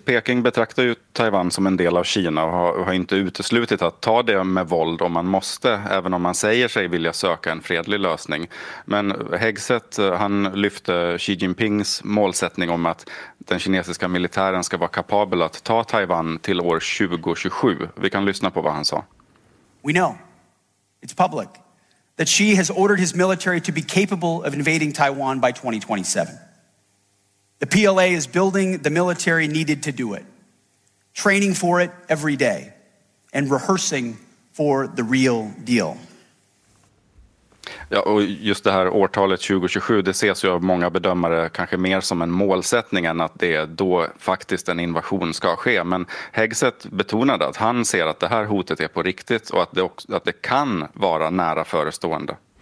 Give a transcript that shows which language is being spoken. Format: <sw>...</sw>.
<sv>Peking betraktar ju Taiwan som en del av Kina och har inte uteslutit att ta det med våld om man måste, även om man säger sig vilja söka en fredlig lösning. Men Hegseth, han lyfte Xi Jinpings målsättning om att den kinesiska militären ska vara kapabel att ta Taiwan till år 2027. Vi kan lyssna på vad han sa.</sv> <en>We know, it's public, that Xi has ordered his military to be capable of invading Taiwan by 2027. The PLA is building the military needed to do it, training for it every day, and rehearsing for the real deal.</en> <sv>Ja, och just det här årtalet 2027, det ses ju av många bedömare kanske mer som en målsättning än att det då faktiskt en invasion ska ske. Men Hegseth betonade att han ser att det här hotet är på riktigt och att det kan vara nära förestående.</sv>